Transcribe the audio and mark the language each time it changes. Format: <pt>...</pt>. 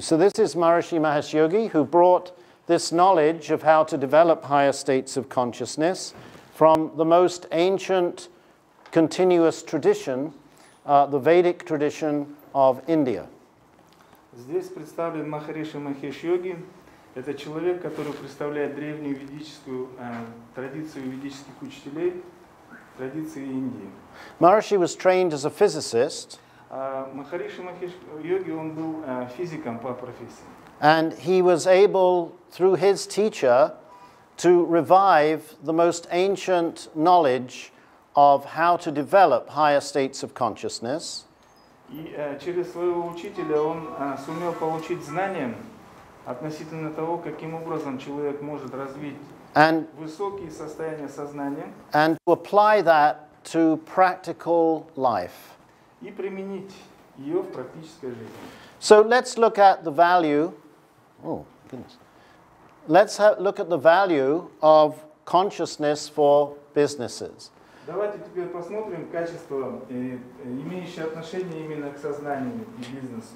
<en>So this is Maharishi Mahesh Yogi, who brought this knowledge of how to develop higher states of consciousness from the most ancient continuous tradition, the Vedic tradition of India.</en> <ru>Здесь представлен Махариши Махеш Йоги. Это человек, который представляет древнюю ведическую традицию ведических учителей, традиции Индии.</ru> <en>Maharishi was trained as a physicist.</en> <ru>Махариши Махеш Йоги, он был физиком по профессии.</ru> <en>And he was able, through his teacher, to revive the most ancient knowledge of how to develop higher states of consciousness.</en> <ru>И через своего учителя он сумел получить знания относительно того, каким образом человек может развить высокие состояния сознания.</ru> <en>And to apply that to practical life.</en> <ru>И применить ее в практической жизни.</ru> <en>So let's look at the value. Oh, goodness. Let's look at the value of consciousness for businesses.</en> <ru>Давайте теперь посмотрим качество, имеющие отношение именно к сознанию и бизнесу.</ru>